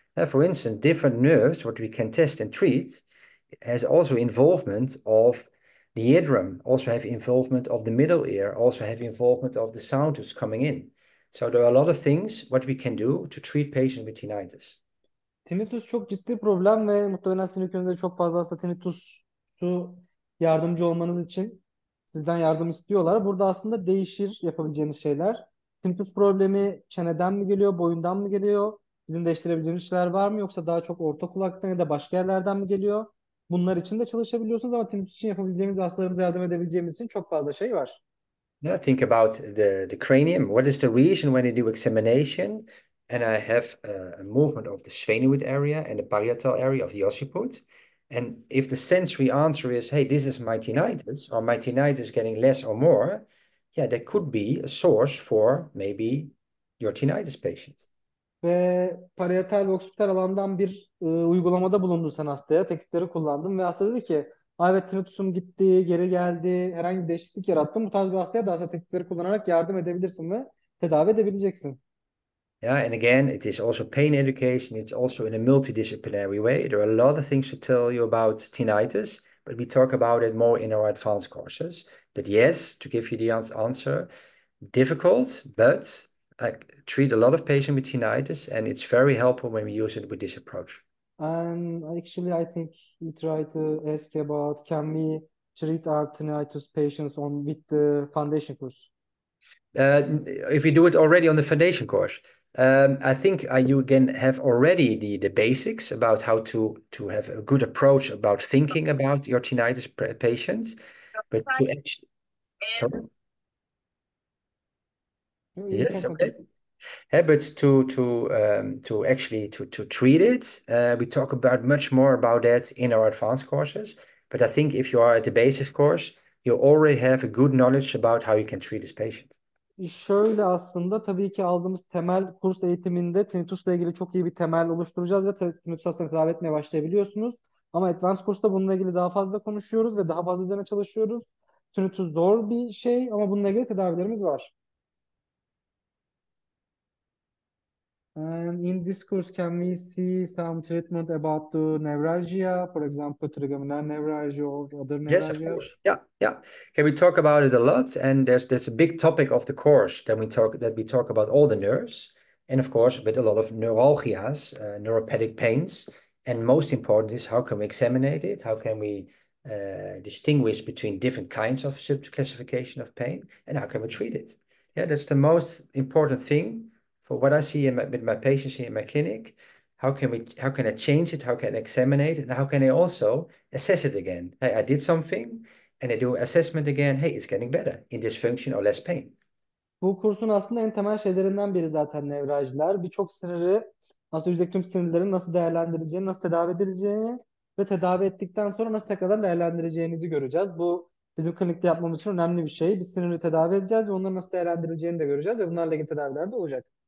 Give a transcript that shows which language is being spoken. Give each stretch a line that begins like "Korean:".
English: For instance, different nerves, what we can test and treat, has also involvement of the eardrum, also have involvement of the middle ear, also have involvement of the sound that's coming in. So there are a lot of things what we can do to treat patients with tinnitus.
Turkish: Tinnitus çok ciddi problem ve muhtemelen sizin ülkenizde çok fazla hasta tinnitusu yardımcı olmanız için sizden yardım istiyorlar. Burada aslında değişir yapabileceğiniz şeyler. Tinnitus problemi çeneden mi geliyor, boyundan mı geliyor? Sizin değiştirebileceğiniz şeyler var mı yoksa daha çok orta kulaktan ya da başka yerlerden mi geliyor? Bunlar için de çalışabiliyorsunuz ama tinnitus için yapabileceğimiz, hastalarımıza yardım edebileceğimiz için çok fazla şey var.
English: Yeah, think about the cranium. What is the reason when you do examination and I have a movement of the sphenoid area and the parietal area of the occiput? And if the sensory answer is, hey, this is my tinnitus, or my tinnitus is getting less or more, yeah, that could be a source for maybe your tinnitus patient.
Turkish: Ve parietal ve occipital alandan bir uygulamada bulundun sen hastaya. Teknikleri kullandın ve hasta dedi ki ay evet tinnitusum gitti, geri geldi, herhangi bir değişiklik yarattın. Bu tarz bir hastaya da hasta teknikleri kullanarak yardım edebilirsin ve tedavi edebileceksin.
English: Yeah, and again, it is also pain education. It's also in a multidisciplinary way. There are a lot of things to tell you about tinnitus, but we talk about it more in our advanced courses. But yes, to give you the answer, difficult, but I treat a lot of patients with tinnitus, and it's very helpful when we use it with this approach. And actually, I think you tried to ask about can we treat our tinnitus patients on with the foundation course? If you do it already on the foundation course, I think you again have already the basics about how to have a good approach about thinking about your tinnitus patients, but to actually, sorry. You Yes, can continue. okay. Habits to actually to treat it. We talk about much more about that in our advanced courses. But I think if you are at the basic course, you already have a good knowledge about how you can treat this patient.
Turkish: Şöyle aslında tabii ki aldığımız temel kurs eğitiminde tinnitusla ilgili çok iyi bir temel oluşturacağız ve tinnitus hastalığını tedavi etmeye başlayabiliyorsunuz. Ama advanced kursta bununla ilgili daha fazla konuşuyoruz ve daha fazla üzerine çalışıyoruz. Tinnitus zor bir şey ama bununla ilgili tedavilerimiz var.
English: And in this course, can we see some treatment about the nevralgia? For example, trigeminal nevralgia or other Yes, of course. nevralgias? Yeah. Can we talk about it a lot? And there's a big topic of the course that we talk about all the nerves, and of course, with a lot of neuralgias, neuropathic pains. And most important is how can we examine it? How can we distinguish between different kinds of subclassification of pain, and how can we treat it? Yeah, that's the most important thing for what I see with my patients here in my clinic. How can I change it? How can I examine it? And how can I also assess it again? Hey, I did something and I do assessment again. Hey, it's getting better in dysfunction or less pain.
Turkish: Bu kursun aslında en temel şeylerinden biri zaten nevrajlar. Birçok sinirleri, aslında yüzdeki tüm sinirlerin nasıl değerlendireceğini, nasıl tedavi edileceğini ve tedavi ettikten sonra nasıl tekrardan değerlendireceğinizi göreceğiz. Bu bizim klinikte yapmamız için önemli bir şey. Biz sinirleri tedavi edeceğiz ve onları nasıl değerlendireceğini de göreceğiz ve bunlarla ilgili tedaviler de olacak.